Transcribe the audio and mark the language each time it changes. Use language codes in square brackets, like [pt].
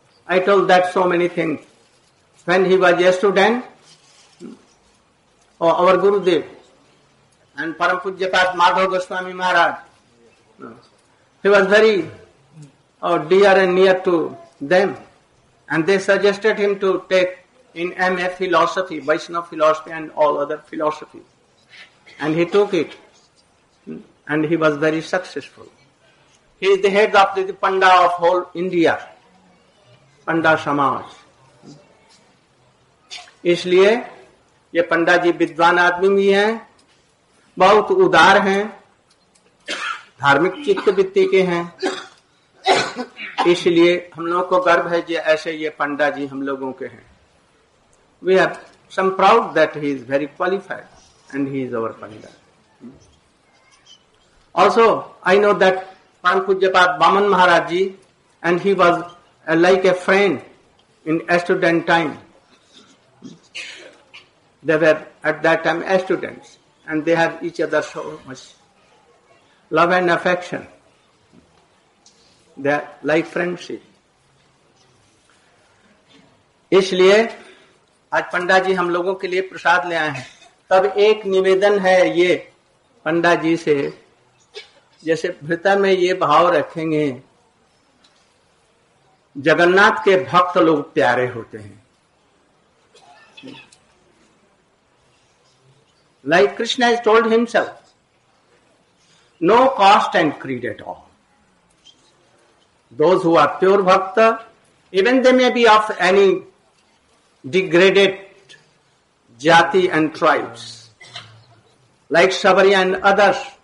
[en] I told that so many thing when he was a student और our Gurudev and Param Pujyapad Madhav Goswami Maharaj, he was very or dear and near to them, and they suggested him to take in MA philosophy, Vaishnava philosophy and all other philosophy. And he took it, and he was very successful. He is the head of the Panda of whole India, Panda Samaj. [hi] इसलिए ये पंडा जी विद्वान आदमी भी हैं, बहुत उदार हैं, धार्मिक चित्त वृत्ति के हैं, इसलिए हम लोगों को गर्व है जो ऐसे ये पंडा जी हम लोगों के हैं. [en] We have some proud that he is very qualified and he is our panda. Also I know that Param Pujyapad Baman Maharaj ji and he was like a friend in student time. They were at that time as students and they had each other so much love and affection. Their life friendship. [hi] इसलिए आज पंडा जी हम लोगों के लिए प्रसाद ले आए हैं. तब एक निवेदन है ये पंडा जी से, जैसे भृता में ये भाव रखेंगे, जगन्नाथ के भक्त लोग प्यारे होते हैं. [en] Like Krishna has told himself, no caste and creed at all. Those who are pure bhakta, even they may be of any degraded jati and tribes, like Shabari and others.